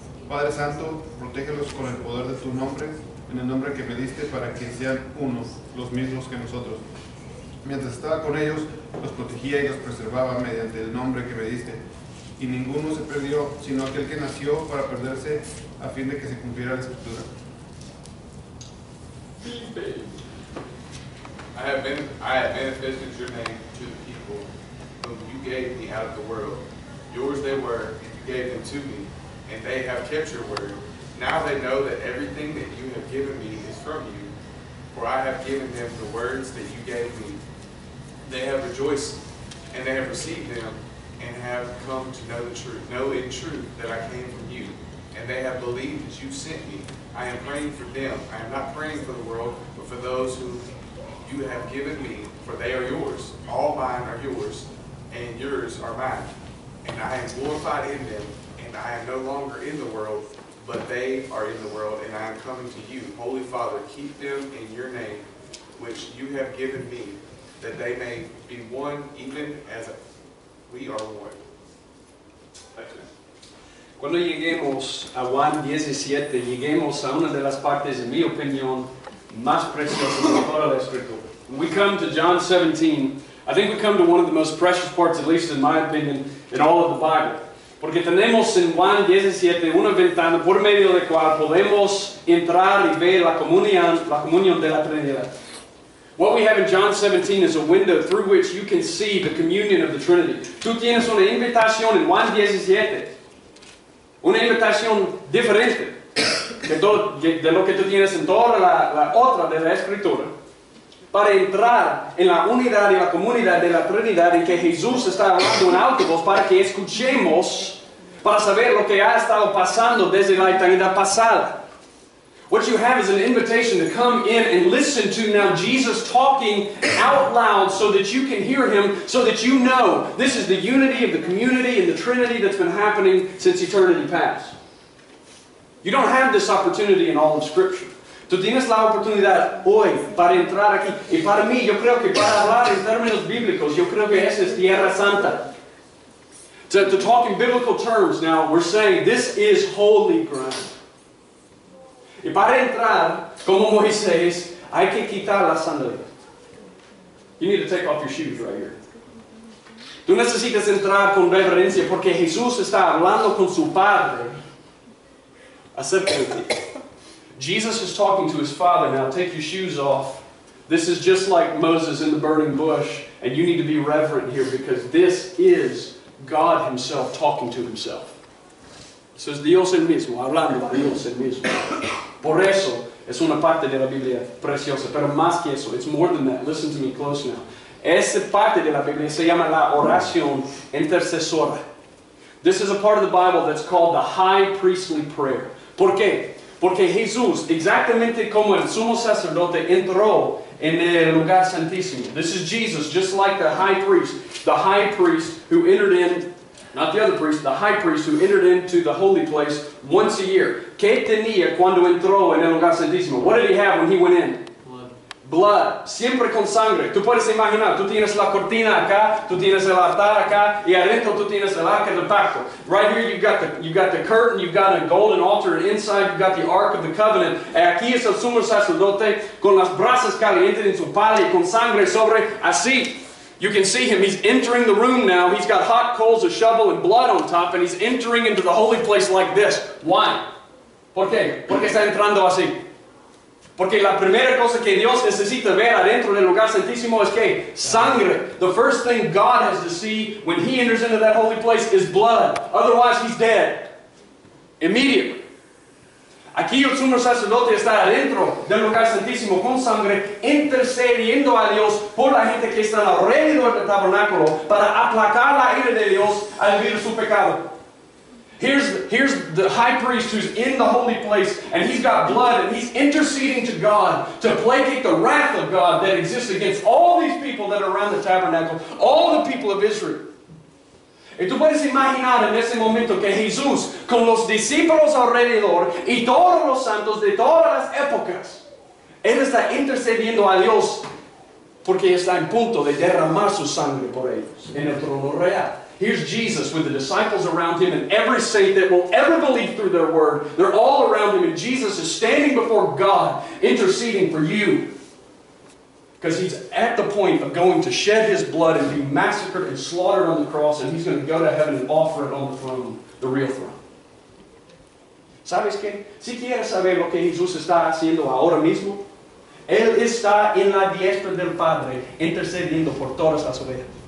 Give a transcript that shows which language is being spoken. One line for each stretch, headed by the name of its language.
Spanish: Padre Santo, protégelos con el poder de tu nombre, en el nombre que me diste, para que sean unos, los mismos que nosotros. Mientras estaba con ellos, los protegía y los preservaba mediante el nombre que me diste. Y ninguno se perdió, sino aquel que nació para perderse, a fin de que se cumpliera la Escritura.
English: I have manifested your name to the people whom you gave me out of the world. Yours they were, and you gave them to me, and they have kept your word. Now they know that everything that you have given me is from you, for I have given them the words that you gave me. They have rejoiced, and they have received them, and have come to know the truth, know in truth that I came from you, and they have believed that you sent me. I am praying for them. I am not praying for the world, but for those who you have given me, for they are yours. All mine are yours, and yours are mine. And I am glorified in them, and I am no longer in the world, but they are in the world, and I am coming to you. Holy Father, keep them in your name, which you have given me, that they may be one, even as we are one.
Spanish: Cuando lleguemos a Juan 17, lleguemos a una de las partes, en mi opinión, más preciosas de toda la Escritura.
English: When we come to John 17, I think we come to one of the most precious parts, at least in my opinion, in all of the Bible.
Spanish: Porque tenemos en Juan 17 una ventana por medio de la cual podemos entrar y ver la comunión de la Trinidad.
English: What we have in John 17 is a window through which you can see the communion of the Trinity.
Spanish: Tú tienes una invitación en Juan 17. Una invitación diferente de lo que tú tienes en toda la otra de la Escritura, para entrar en la unidad y la comunidad de la Trinidad en que Jesús está hablando en alta voz, para que escuchemos, para saber lo que ha estado pasando desde la eternidad pasada.
English: What you have is an invitation to come in and listen to now Jesus talking out loud so that you can hear him, so that you know this is the unity of the community and the Trinity that's been happening since eternity past. You don't have this opportunity in all of Scripture.
Spanish: Tú tienes la oportunidad hoy para entrar aquí. Y para mí, yo creo que para hablar en términos bíblicos, yo creo que esa es Tierra Santa.
English: To talk in biblical terms now, we're saying this is holy ground.
Spanish: Y para entrar, como Moisés, hay que quitar las sandalias.
English: You need to take off your shoes right here.
Spanish: Tú necesitas entrar con reverencia porque Jesús está hablando con su Padre. Acepta de ti.
English: Jesus is talking to his Father now. Take your shoes off. This is just like Moses in the burning bush. And you need to be reverent here because this is God himself talking to himself. So it's
Spanish: Dios el mismo, hablando a Dios el mismo. Por eso, es una parte de la Biblia preciosa. Pero más que eso,
English: it's more than that. Listen to me close now.
Spanish: Esa parte de la Biblia se llama la oración intercesora.
English: This is a part of the Bible that's called the high priestly prayer.
Spanish: ¿Por qué? Porque Jesús, exactamente como el sumo sacerdote, entró en el lugar santísimo.
English: This is Jesus, just like the high priest who entered in, not the other priest, the high priest who entered into the holy place once a year.
Spanish: ¿Qué tenía cuando entró en el lugar santísimo?
English: What did he have when he went in? Blood.
Spanish: Siempre con sangre. Tú puedes imaginar, tú tienes la cortina acá, tú tienes el altar acá, y adentro tú tienes el arca del pacto.
English: Right here you've got the curtain, you've got a golden altar, and inside you've got the Ark of the Covenant.
Spanish: Aquí es el sumo sacerdote con las brasas calientes en su palio, con sangre sobre, así.
English: You can see him, he's entering the room now, he's got hot coals, a shovel, and blood on top, and he's entering into the holy place like this. Why?
Spanish: ¿Por qué? Porque está entrando así. Porque la primera cosa que Dios necesita ver adentro del lugar santísimo es que sangre.
English: The first thing God has to see when he enters into that holy place is blood. Otherwise, he's dead. Immediately.
Spanish: Aquí el sumo sacerdote está adentro del lugar santísimo con sangre, intercediendo a Dios por la gente que está alrededor del tabernáculo para aplacar la ira de Dios al vivir su pecado.
English: Here's the high priest who's in the holy place, and he's got blood, and he's interceding to God to placate the wrath of God that exists against all these people that are around the tabernacle, all the people of Israel.
Spanish: Y tú puedes imaginar en ese momento que Jesús, con los discípulos alrededor y todos los santos de todas las épocas, él está intercediendo a Dios porque está en punto de derramar su sangre por ellos en el trono real.
English: Here's Jesus with the disciples around him and every saint that will ever believe through their word. They're all around him, and Jesus is standing before God interceding for you, because he's at the point of going to shed his blood and be massacred and slaughtered on the cross, and he's going to go to heaven and offer it on the throne, the real throne.
Spanish: ¿Sabes qué? Si quieres saber lo que Jesús está haciendo ahora mismo, él está en la diestra del Padre intercediendo por todas las ovejas.